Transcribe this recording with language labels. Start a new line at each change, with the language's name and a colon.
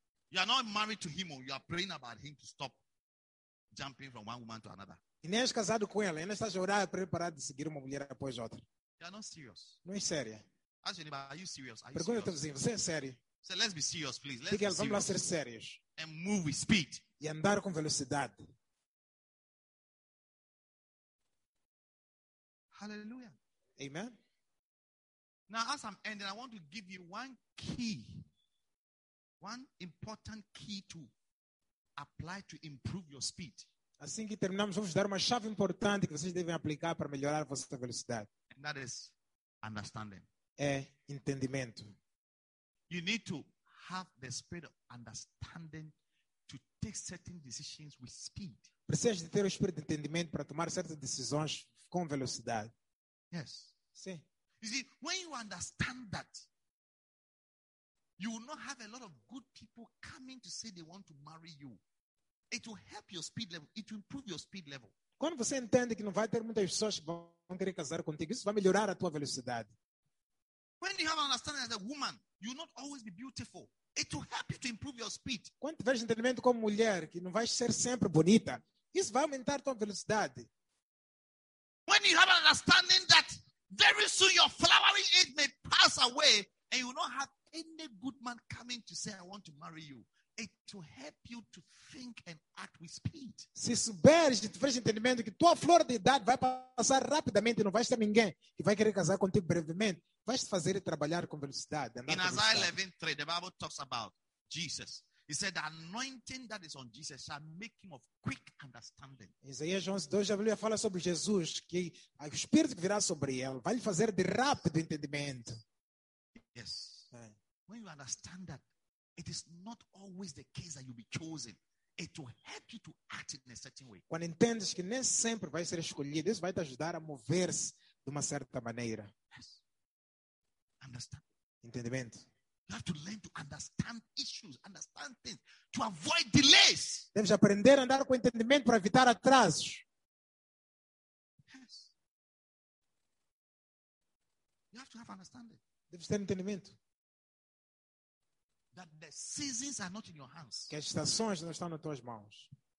English: You are not married to him, or you are praying about him to stop jumping from one woman to another.
Portuguese: E nem és casado com ela, ainda estás a orar para parar de seguir uma mulher após outra.
English: You are not serious.
Portuguese: Não é séria.
English: Ask anybody, are you serious?
Portuguese: Pergunta ao teu vizinho, você é sério?
English: So let's be serious, please. Let's be
Portuguese: vamos lá ser sérios.
English: And move with speed.
Portuguese: E andar com velocidade.
English: Hallelujah. Amen. Now, as I'm ending, I want to give you one key. One important key to apply to improve your speed.
Portuguese: Assim que terminamos, vamos dar uma chave importante que vocês devem aplicar para melhorar a vossa velocidade.
English: And that is understanding.
Portuguese: É entendimento.
English: You need to have the spirit of understanding to take certain decisions with speed.
Portuguese: Precisas de ter o espírito de entendimento para tomar certas decisões com velocidade.
English: Yes.
Portuguese: Sim.
English: You see, when you understand that, you will not have a lot of good people coming to say they want to marry you. It will help your speed level. It will improve your speed level.
Portuguese: Quando você entende que não vai ter muitas pessoas que vão querer casar contigo, isso vai melhorar a tua velocidade.
English: When you have an understanding as a woman, you will not always be beautiful. It will help you to improve your speed.
Portuguese: Quando tiveres entendimento como mulher, que não vais ser sempre bonita, isso vai aumentar a tua velocidade.
English: When you have an understanding that very soon your flowering age may pass away and you will not have any good man coming to say, I want to marry you. It will help you to think and act with speed.
Portuguese: Se souberes e tiveres entendimento que tua flor de idade vai passar rapidamente e não vais ter ninguém que vai querer casar contigo brevemente, vais te fazer trabalhar com velocidade.
English: In Isaiah 11:3, the Bible talks about Jesus. He said, the anointing that is on Jesus shall make him of quick understanding.
Portuguese: Isaías 11:2, a Bíblia fala sobre Jesus, que o Espírito que virá sobre ele vai lhe fazer de rápido entendimento.
English: Yes. When you understand that, it is not always the case that you'll be chosen. It will help you to act in a certain way.
Portuguese: Quando entendes que nem sempre vai ser escolhido, isso vai te ajudar a mover-se de uma certa maneira.
English: Yes. Understand.
Portuguese: Entendimento.
English: You have to learn to understand issues, understand things, to avoid delays.
Portuguese: Deves aprender a andar com entendimento para evitar atrasos.
English: Yes. You have to have understanding.
Portuguese: Deves ter entendimento.
English: That the seasons are not in your hands.
Portuguese: Que as estações não estão nas tuas mãos.